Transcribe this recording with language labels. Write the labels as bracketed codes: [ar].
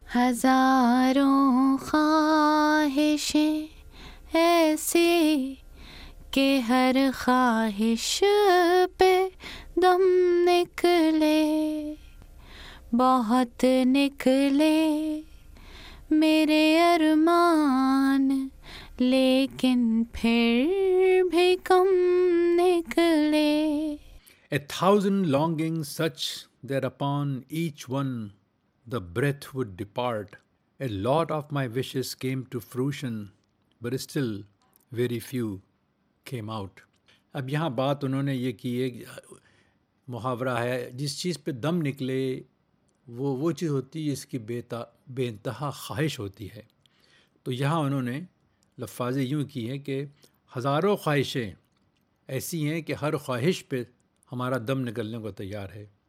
[ur] ہزاروں خواہشیں ایسی کہ ہر خواہش پہ دم نکلے, بہت نکلے میرے ارمان لیکن پھر بھی کم نکلے. [en] A thousand longings such that upon each one the breath would depart. A lot of my wishes came to fruition but still very few came out. [ur] اب یہاں بات انہوں نے یہ کی, ایک محاورہ ہے, جس چیز پہ دم نکلے وہ چیز ہوتی ہے جس کی بے انتہا خواہش ہوتی ہے. تو یہاں انہوں نے لفاظیں یوں کی ہیں کہ ہزاروں خواہشیں ایسی ہیں کہ ہر خواہش پہ ہمارا دم نکلنے کو تیار ہے.